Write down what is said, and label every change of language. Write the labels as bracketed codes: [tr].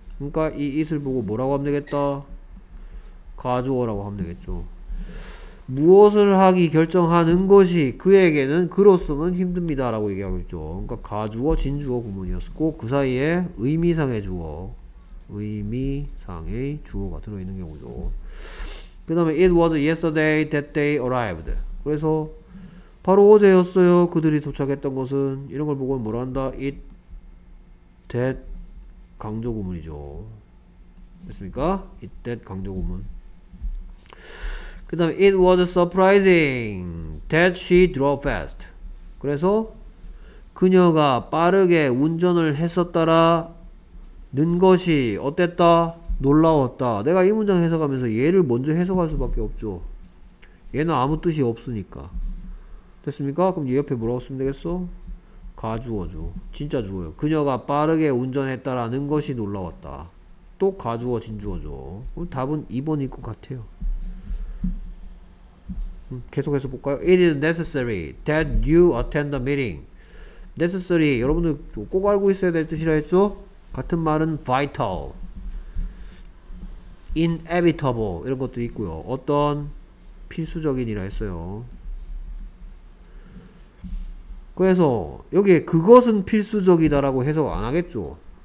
[ko] 그러니까 이 it을 보고 뭐라고 하면 되겠다? 가주어라고 하면 되겠죠. 무엇을 하기 결정하는 것이 그에게는 그로서는 힘듭니다 라고 얘기하고 있죠. 그러니까 가주어 진주어 구문이었고 그 사이에 의미상의 주어 의미상의 주어가 들어있는 경우죠. 그 다음에 [en] it was yesterday that they arrived. [ko] 그래서 바로 어제였어요. 그들이 도착했던 것은 이런 걸 보고 뭐라 한다? it that 강조 구문이죠. 됐습니까? it that 강조 구문. 그 다음에 [en] it was surprising that she drove fast. [ko] 그래서 그녀가 빠르게 운전을 했었더라 는 것이 어땠다? 놀라웠다. 내가 이 문장 해석하면서 얘를 먼저 해석할 수밖에 없죠. 얘는 아무 뜻이 없으니까. 됐습니까? 그럼 얘 옆에 뭐라고 쓰면 되겠어? 가주어죠. 진짜 주어요. 그녀가 빠르게 운전했다라는 것이 놀라웠다. 또 가주어 진주어죠. 그럼 답은 2번일 것 같아요. 계속해서 볼까요? [en] It is necessary that you attend the meeting. Necessary. [ko] 여러분들 꼭 알고 있어야 될 뜻이라 했죠? 같은 말은 vital, inevitable 이런 것도 있고요. 어떤 필수적인이라 했어요. 그래서 여기에 그것은 필수적이다라고 해석 안 하겠죠.